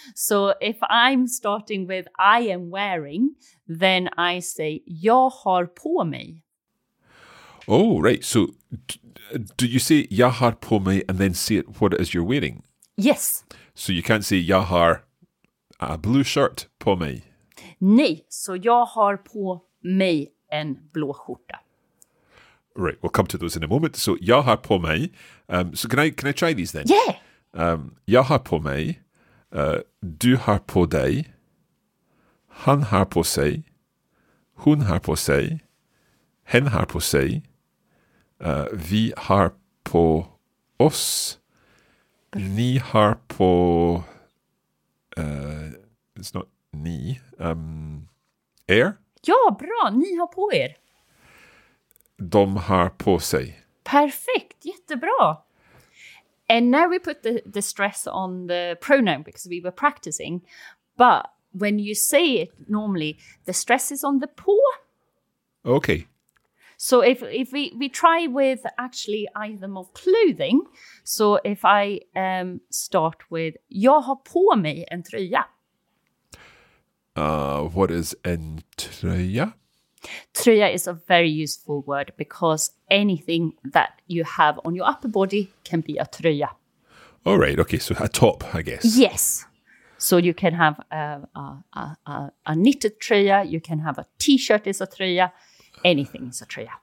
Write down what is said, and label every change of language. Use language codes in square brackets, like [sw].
[en] So if I'm starting with I am wearing, then I say [sv] jag har på mig. [en] Oh, right. So do you say [sv] jag har på mig [en] and then say it what it is you're wearing? Yes. So you can't say [sv] jag har [en] a blue shirt [sv] på mig. Nej, så jag har på mig en blå skjorta. [en] Right, we'll come to those in a moment. So, [sv] jag har på mig. [en] So, can I try these then? Yeah. [sv] Jag har på mig. Du har på dig. Han har på sig. Hon har på sig. Hen har på sig. Vi har på oss. Ni har på... [en] it's not ni. Er? [sv] Ja, bra. Ni har på er. De har på sig. Perfekt, jättebra. [en] And now we put the stress on the pronoun because we were practicing. But when you say it normally, the stress is on the på. Okay. So if we try with actually item of clothing. So if I start with, [sv] jag har på mig en tröja. [en] What is en tröja? Tröja is a very useful word because anything that you have on your upper body can be a tröja. All right, okay, so a top, I guess. Yes. So you can have a knitted tröja, you can have a t-shirt is a tröja, anything is a tröja.